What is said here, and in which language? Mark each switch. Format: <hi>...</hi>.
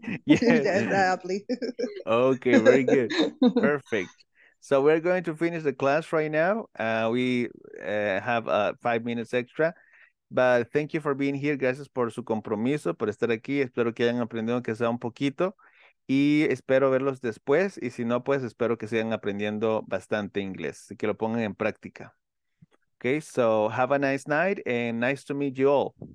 <en>Okay, very good. Perfect. So we're going to finish the class right now. We have 5 minutes extra, but thank you for being here.</en> <es>Gracias por su compromiso, por estar aquí. Espero que hayan aprendido que sea un poquito y espero verlos después. Y si no, pues espero que sigan aprendiendo bastante inglés, que lo pongan en práctica.</es> <en>Okay, so have a nice night and nice to meet you all.</en>